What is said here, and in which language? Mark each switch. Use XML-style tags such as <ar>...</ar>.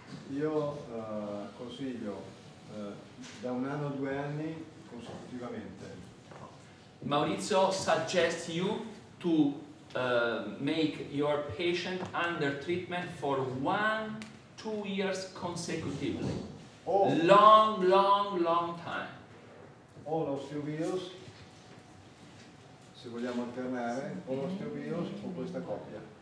<it>Io consiglio da un anno a due anni consecutivamente.</it> <en>Maurizio suggests you to make your patient under treatment for 1-2 years consecutively. Oh. Long time.</en> <it>O l'osteobios, se vogliamo alternare, o l'osteobios o questa coppia.</it>